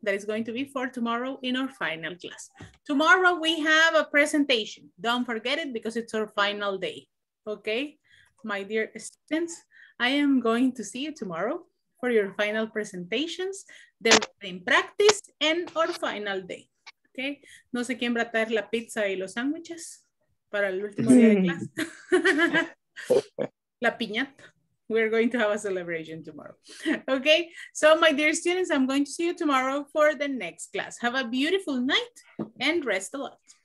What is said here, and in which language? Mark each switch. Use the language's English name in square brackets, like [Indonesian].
[English] That is going to be for tomorrow in our final class. Tomorrow we have a presentation. Don't forget it because it's our final day, okay? My dear students, I am going to see you tomorrow for your final presentations, the reading practice, and our final day. Okay. [Spanish] No sé quién va a traer la pizza y los sándwiches para el último día de clase. [English] La piñata. We're going to have a celebration tomorrow. Okay. So my dear students, I'm going to see you tomorrow for the next class. Have a beautiful night and rest a lot.